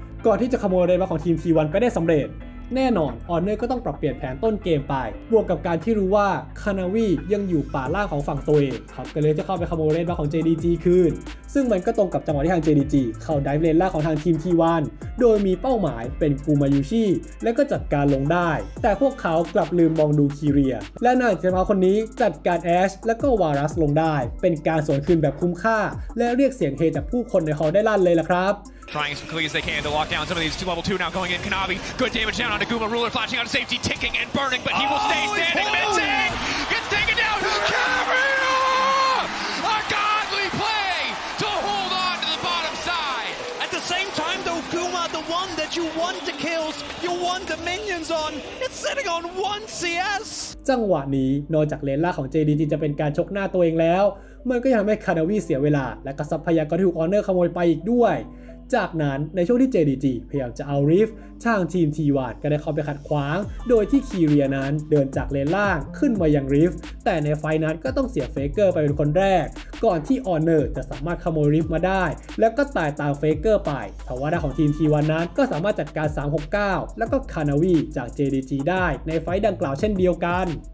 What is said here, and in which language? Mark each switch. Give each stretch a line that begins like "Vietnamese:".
Thai: ก่อนที่จะขโมยเรนมาของทีม T1 ไปได้สำเร็จแน่นอนออนเนอร์ก็ต้องปรับเปลี่ยนแผนต้นเกมไปบวกกับการที่รู้ว่าคานาวียังอยู่ป่าล่างของฝั่งตัวเองครับก็เลยจะเข้าไปขโมยเลนมาของ JDG คืนซึ่งมันก็ตรงกับจังหวะที่ทาง JDG เข้าไดฟ์เลนล่างของทางทีม T1 โดยมีเป้าหมายเป็นกูมายูชิและก็จัดการลงได้แต่พวกเขากลับลืมมองดูคีเรียและนายเจมาคนนี้จัดการแอชและก็วารัสลงได้เป็นการสวนคืนแบบคุ้มค่าและเรียกเสียงเฮจากผู้คนในฮอลล์ได้ลั่นเลยล่ะครับ
English: Trying as quickly as they can to lock down some of these two level two now going in. Kanavi, good damage down onto Guma. Ruler flashing out of safety, ticking and burning, but he will stay standing. Missing! Gets taken down! Kavira! A godly play to hold on to the bottom side! At the same time though, Guma, the one that you want the kills, you want the minions on, it's sitting on one CS!
Thai: จังหวะนี้นอกจากเลนล่าของ JDG จะเป็นการชกหน้าตัวเองแล้วมันก็ยังทำให้คานาวีเสียเวลาและก็ทรัพยากรที่ถูกออนเนอร์ขโมยไปอีกด้วย จากนั้นในช่วงที่ JDG พยายามจะเอาริฟทางทีม T1 ก็ได้เข้าไปขัดขวางโดยที่คีเรียนั้นเดินจากเลนล่างขึ้นมายังริฟแต่ในไฟนั้นก็ต้องเสียเฟเกอร์ไปเป็นคนแรกก่อนที่ออนเนอร์จะสามารถขโมยริฟมาได้แล้วก็ตายตามเฟเกอร์ไปแต่ว่าด้านของทีม T1 นั้นก็สามารถจัดการ369แล้วก็คานาวีจาก JDG ได้ในไฟดังกล่าวเช่นเดียวกัน